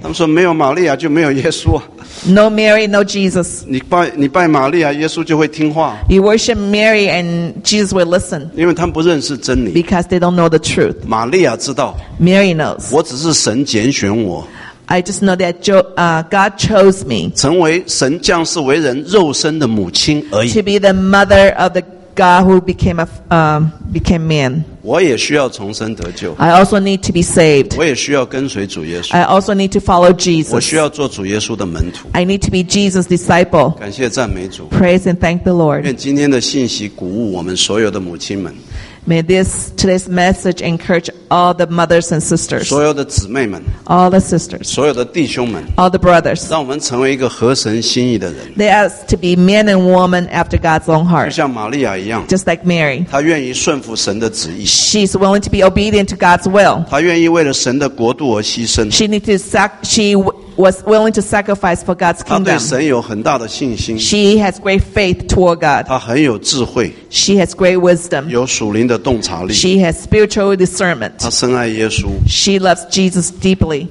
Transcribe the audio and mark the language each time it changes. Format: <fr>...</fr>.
<zh>他们说没有玛利亚就没有耶稣。</zh> <en>No Mary, no Jesus.</en> <zh>你拜玛利亚，耶稣就会听话。</zh> <en>You worship Mary and Jesus will listen.</en> <zh>因为他们不认识真理。</zh> <en>Because they don't know the truth.</en> <zh>玛利亚知道。</zh> <en>Mary knows.</en> <zh>我只是神拣选我。</zh> <en>I just know that God chose me.</en> <zh>成为神降世为人肉身的母亲而已。</zh> <en>To be the mother of the God who became man.</en> <zh>我也需要重生得救。</zh> <en>I also need to be saved.</en> <zh>我也需要跟随主耶稣。</zh> <en>I also need to follow Jesus.</en> <zh>我需要做主耶稣的门徒。</zh> <en>I need to be Jesus' disciple.</en> <zh>感谢赞美主。</zh> <en>Praise and thank the Lord.</en> <zh>愿今天的信息鼓舞我们所有的母亲们。</zh> <en>May this today's message encourage all the mothers and sisters.</en> <zh>所有的姊妹们。</zh> <en>All the sisters.</en> <zh>所有的弟兄们。</zh> <en>All the brothers.</en> <zh>让我们成为一个合神心意的人。</zh> <en>They ask to be men and women after God's own heart.</en> <zh>就像玛利亚一样。</zh> <en>Just like Mary.</en> <zh>她愿意顺服神的旨意。</zh> <en>She's willing to be obedient to God's will.</en> <zh>她愿意为了神的国度而牺牲。</zh> <en>She was willing to sacrifice for God's kingdom.</en> <zh>她对神有很大的信心。</zh> <en>She has great faith toward God.</en> <zh>她很有智慧。</zh> <en>She has great wisdom.</en> <zh>有属灵的洞察力。</zh> <en>She has spiritual discernment.</en> <zh>她深爱耶稣。</zh> <en>She loves Jesus deeply.</en>